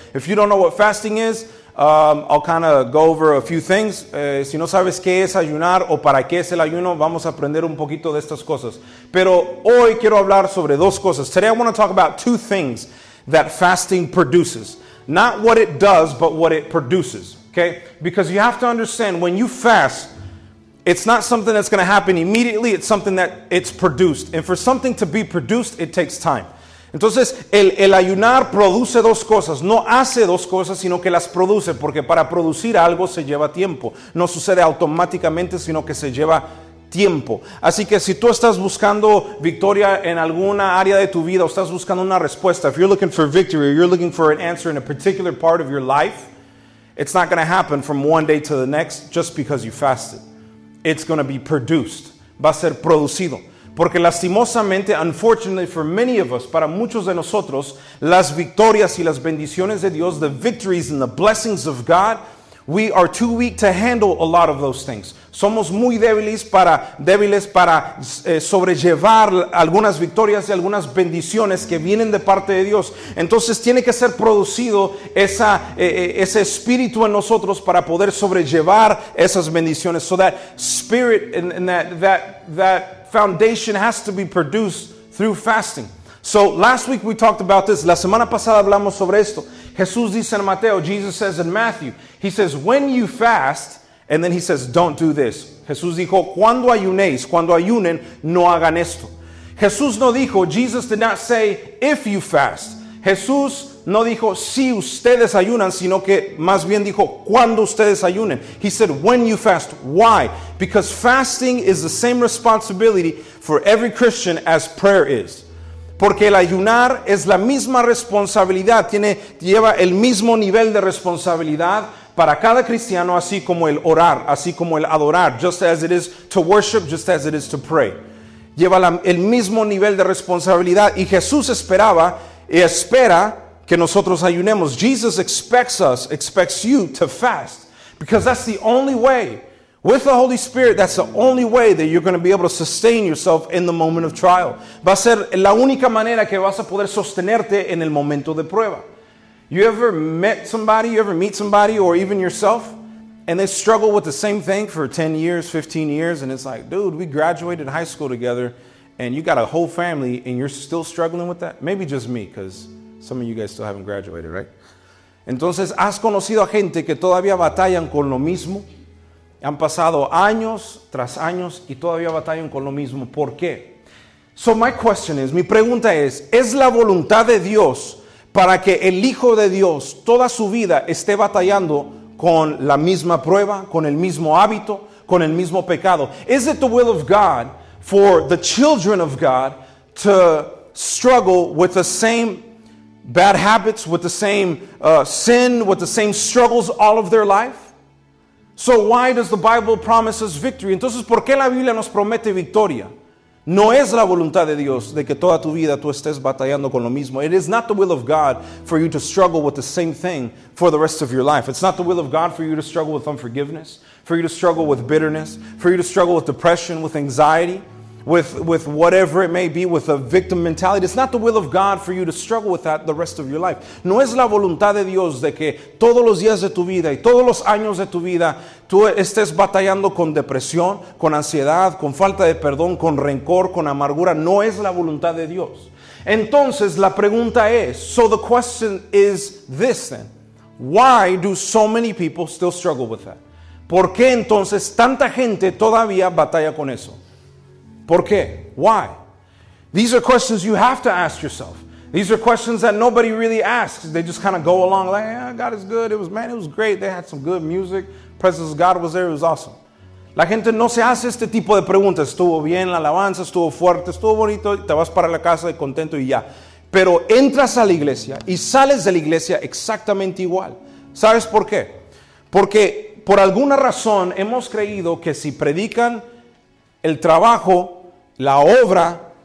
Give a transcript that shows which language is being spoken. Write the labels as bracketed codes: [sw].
[en] If you don't know what fasting is, I'll kind of go over a few things. [es] Si no sabes qué es ayunar o para qué es el ayuno, vamos a aprender un poquito de estas cosas. Pero hoy quiero hablar sobre dos cosas. [en] Today I want to talk about two things that fasting produces. Not what it does, but what it produces, okay? Because you have to understand, when you fast, it's not something that's going to happen immediately. It's something that it's produced. And for something to be produced, it takes time. [es] Entonces, el ayunar produce dos cosas. No hace dos cosas, sino que las produce. Porque para producir algo se lleva tiempo. No sucede automáticamente, sino que se lleva tiempo. Así que si tú estás buscando victoria en alguna área de tu vida, o estás buscando una respuesta, [en] if you're looking for victory, or you're looking for an answer in a particular part of your life, it's not going to happen from one day to the next just because you fasted. It's going to be produced. [es] Va a ser producido. Porque lastimosamente, [en] unfortunately for many of us, [es] para muchos de nosotros, las victorias y las bendiciones de Dios, [en] the victories and the blessings of God, we are too weak to handle a lot of those things. [es] Somos muy débiles para sobrellevar algunas victorias y algunas bendiciones que vienen de parte de Dios. Entonces tiene que ser producido ese espíritu en nosotros para poder sobrellevar esas bendiciones. [en] So that spirit and that foundation has to be produced through fasting. So last week we talked about this. [es] La semana pasada hablamos sobre esto. Jesús dice en Mateo, [en] Jesus says in Matthew, he says, when you fast, and then he says, don't do this. [es] Jesús dijo, cuando ayunéis, cuando ayunen, no hagan esto. Jesús no dijo, [en] Jesus did not say, if you fast. [es] Jesús no dijo, si ustedes ayunan, sino que más bien dijo, cuando ustedes ayunen. [en] He said, when you fast. Why? Because fasting is the same responsibility for every Christian as prayer is. [es] Porque el ayunar es la misma responsabilidad, lleva el mismo nivel de responsabilidad para cada cristiano, así como el orar, así como el adorar, [en] just as it is to worship, just as it is to pray. [es] Lleva el mismo nivel de responsabilidad y Jesús esperaba y espera que nosotros ayunemos. [en] Jesus expects you to fast, because that's the only way. With the Holy Spirit, that's the only way that you're going to be able to sustain yourself in the moment of trial. [es] Va a ser la única manera que vas a poder sostenerte en el momento de prueba. [en] You ever met somebody, you ever meet somebody, or even yourself, and they struggle with the same thing for 10 years, 15 years, and it's like, dude, we graduated high school together, and you got a whole family, and you're still struggling with that? Maybe just me, because some of you guys still haven't graduated, right? [es] Entonces, ¿has conocido a gente que todavía batallan con lo mismo? Han pasado años tras años y todavía batallan con lo mismo. ¿Por qué? [en] So my question is, [es] mi pregunta es la voluntad de Dios para que el Hijo de Dios toda su vida esté batallando con la misma prueba, con el mismo hábito, con el mismo pecado? [en] Is it the will of God for the children of God to struggle with the same bad habits, with the same sin, with the same struggles all of their life? So why does the Bible promise us victory? [es] Entonces, ¿por qué la Biblia nos promete victoria? No es la voluntad de Dios de que toda tu vida tú estés batallando con lo mismo. [en] It is not the will of God for you to struggle with the same thing for the rest of your life. It's not the will of God for you to struggle with unforgiveness, for you to struggle with bitterness, for you to struggle with depression, with anxiety, with whatever it may be, with a victim mentality. It's not the will of God for you to struggle with that the rest of your life. [es] No es la voluntad de Dios de que todos los días de tu vida y todos los años de tu vida tú estés batallando con depresión, con ansiedad, con falta de perdón, con rencor, con amargura. No es la voluntad de Dios. Entonces, la pregunta es, [en] so the question is this then, why do so many people still struggle with that? [es] ¿Por qué entonces tanta gente todavía batalla con eso? ¿Por qué? [en] Why? These are questions you have to ask yourself. These are questions that nobody really asks. They just kind of go along like, yeah, God is good. It was great. They had some good music. Presence of God was there. It was awesome. [es] La gente no se hace este tipo de preguntas. Estuvo bien la alabanza, estuvo fuerte, estuvo bonito. Te vas para la casa de contento y ya. Pero entras a la iglesia y sales de la iglesia exactamente igual. ¿Sabes por qué? Porque por alguna razón hemos creído que si predican el trabajo, la obra,